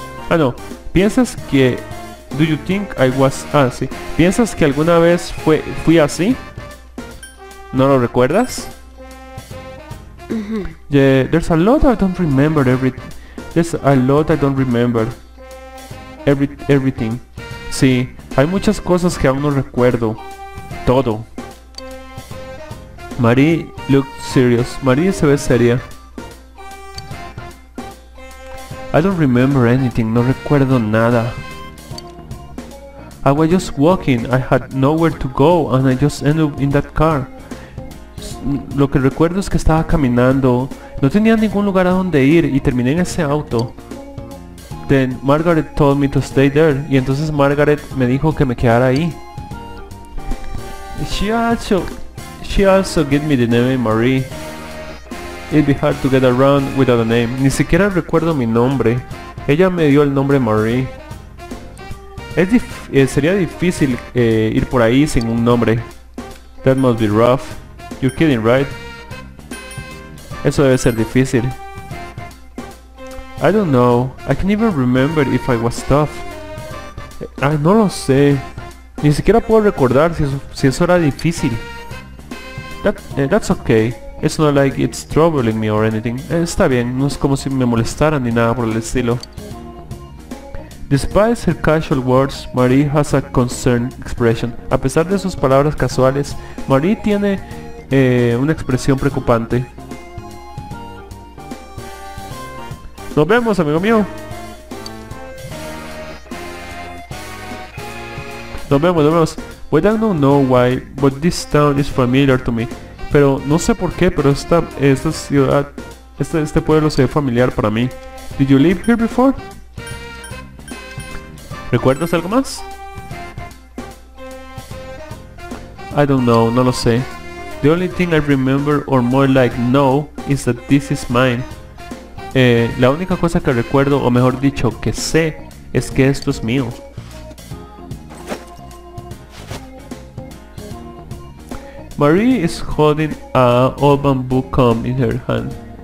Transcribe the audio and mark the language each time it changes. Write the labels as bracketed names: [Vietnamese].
[Spanish] Ah, no, ¿piensas que... [English] Do you think I was... [Spanish] Ah, sí. ¿Piensas que alguna vez fui así? ¿No lo recuerdas? Mm-hmm. [English] Yeah, there's a lot I don't remember everything. [Spanish] Sí, hay muchas cosas que aún no recuerdo. Todo. [English] Marie looked serious. [Spanish] Marie se ve seria. [English] I don't remember anything. [Spanish] No recuerdo nada. [English] I was just walking. I had nowhere to go and I just ended up in that car. [Spanish] Lo que recuerdo es que estaba caminando. No tenía ningún lugar a donde ir y terminé en ese auto. [English] Then Margaret told me to stay there. [Spanish] Y entonces Margaret me dijo que me quedara ahí. [English] She also gave me the name Marie. It'd be hard to get around without a name. [Spanish] Ni siquiera recuerdo mi nombre. Ella me dio el nombre Marie. Sería difícil ir por ahí sin un nombre. [English] That must be rough. You're kidding, right? [Spanish] Eso debe ser difícil. [English] I don't know. I can't even remember if I was tough. [Spanish] No lo sé. Ni siquiera puedo recordar si eso era difícil. [English] That's okay. It's not like it's troubling me or anything. [Spanish] Está bien. No es como si me molestaran ni nada por el estilo. [English] Despite her casual words, Marie has a concerned expression. [Spanish] A pesar de sus palabras casuales, Marie tiene... una expresión preocupante. Nos vemos, amigo mío. Nos vemos. [English] I don't know why, but this town is familiar to me. [Spanish] Pero no sé por qué, pero esta ciudad, este pueblo se ve familiar para mí. [English] Did you live here before? [Spanish] ¿Recuerdas algo más? [English] I don't know, [Spanish] no lo sé. [English] The only thing I remember, or more like know, is that this is mine. [Spanish] La única cosa que recuerdo, o mejor dicho, que sé, es que esto es mío. [English] Marie is holding a old bamboo comb in her hand.